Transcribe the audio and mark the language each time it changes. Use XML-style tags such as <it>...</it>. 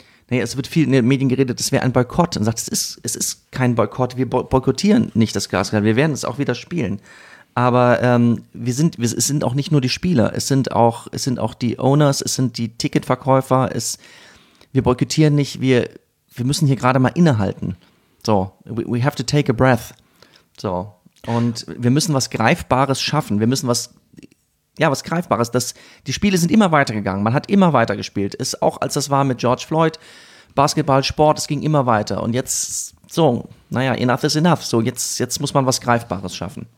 <de>Naja, es wird viel in den Medien geredet, es wäre ein Boykott. Und sagt, es ist kein Boykott. Wir boykottieren nicht das Gaskraftwerk. Wir werden es auch wieder spielen. Aber es sind auch nicht nur die Spieler. Es sind auch die Owners, es sind die Ticketverkäufer. Wir boykottieren nicht. Wir müssen hier gerade mal innehalten.</de> <en>So, we have to take a breath.</en> <de>So, und wir müssen was Greifbares schaffen. Wir müssen was Greifbares. Die Spiele sind immer weitergegangen. Man hat immer weiter gespielt. Auch als das war mit George Floyd, Basketball, Sport, es ging immer weiter. Und jetzt, so, naja,</de> <en>enough is enough.</en> <de>So, jetzt muss man was Greifbares schaffen.</de>